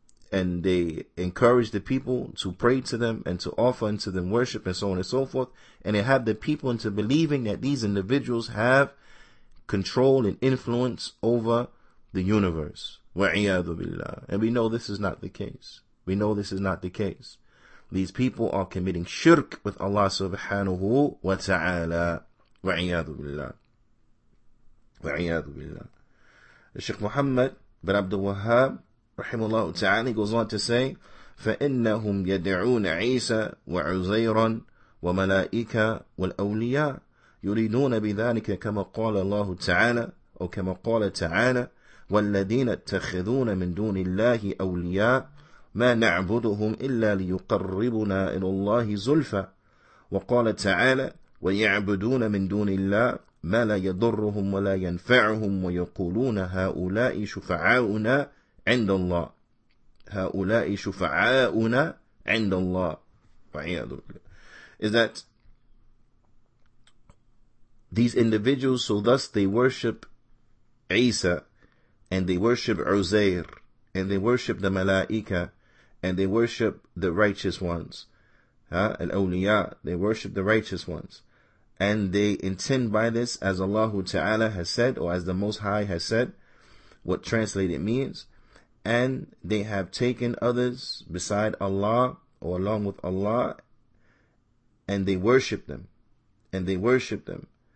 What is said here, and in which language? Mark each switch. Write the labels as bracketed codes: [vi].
[en] and they encourage the people to pray to them and to offer unto them worship and so on and so forth, and they have the people into believing that these individuals have control and influence over the universe. [ar] وَعِيَاذُ بِاللَّهِ. [en] And we know this is not the case. We know this is not the case. These people are committing shirk with Allah subhanahu wa ta'ala. [ar] وَعِيَاذُ بِاللَّهِ. وَعِيَاذُ بِاللَّهِ. [en] Sheikh Muhammad bin Abdul Wahhab, rahimahullah ta'ala, goes on to say, [ar] فَإِنَّهُمْ يَدْعُونَ عِيسَى وَعُزَيْرًا وَمَلَائِكَ وَالْأَوْلِيَاءَ يُرِيدُونَ بِذَلِكَ كَمَا قَالَ اللَّهُ تَعَالَى أو كَمَا قَالَ تَعَالَى والذين اتخذون من دون الله أولياء ما نعبدهم إلا ليقربنا إلى الله زلفى وقال تعالى ويعبدون من دون الله ما لا يضرهم ولا ينفعهم ويقولون هؤلاء شفعاؤنا عند الله وعياذ بالله. [en] Is that these individuals, so thus they worship Isa, and they worship Uzair, and they worship the Malaika, and they worship the righteous ones. Al-Awliya, they worship the righteous ones. And they intend by this, as Allah Ta'ala has said, or as the Most High has said, what translated means, and they have taken others beside Allah, or along with Allah, and they worship them. And they worship them.